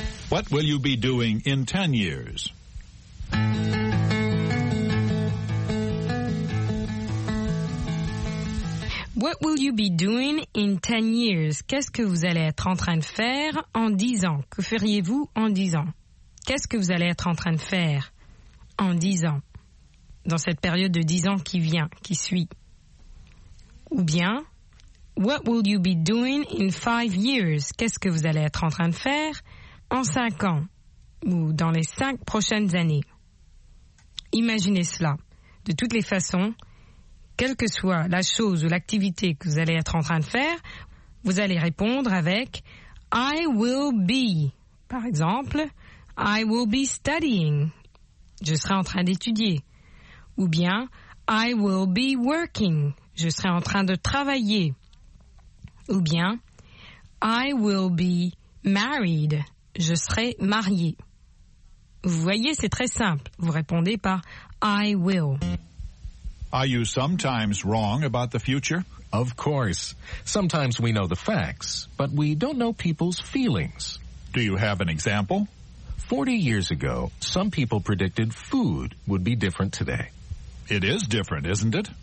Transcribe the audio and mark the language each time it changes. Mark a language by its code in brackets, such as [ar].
[en] What will you be doing in 10 years? What will you be doing in 10 years? [fr] Qu'est-ce que vous allez être en train de faire en 10 ans? Que feriez-vous en 10 ans? Qu'est-ce que vous allez être en train de faire en 10 ans? Dans cette période de 10 ans qui vient, qui suit. Ou bien, [en] what will you be doing in 5 years? [fr] Qu'est-ce que vous allez être en train de faire en 5 ans? Ou dans les 5 prochaines années? Imaginez cela. De toutes les façons, quelle que soit la chose ou l'activité que vous allez être en train de faire, vous allez répondre avec « [en] I will be ». [fr] Par exemple, [en] « I will be studying ». [fr] Je serai en train d'étudier. Ou bien « [en] I will be working ». [fr] Je serai en train de travailler. Ou bien « [en] I will be married ». [fr] Je serai marié. Vous voyez, c'est très simple. Vous répondez par « [en] I will ». Are you sometimes wrong about the future? Of course. Sometimes we know the facts, but we don't know people's feelings. Do you have an example? 40 years ago, some people predicted food would be different today. It is different, isn't it?